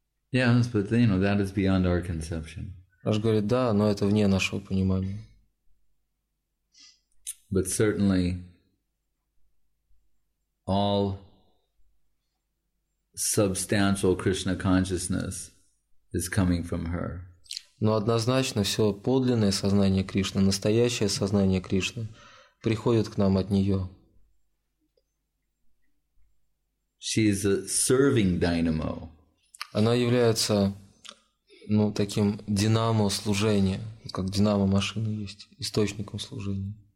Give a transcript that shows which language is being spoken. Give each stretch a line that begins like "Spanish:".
English: Yes, but you know, that is beyond our conception.
Russian: Раш говорит, да, но это вне нашего понимания.
English: But certainly, all substantial Krishna consciousness is coming from her.
Russian: Но однозначно все подлинное сознание Кришны, настоящее сознание Кришны, приходит к нам от нее.
English: She is a serving dynamo.
Russian: Она является, ну, таким динамо служения, как динамо машина есть, источником служения.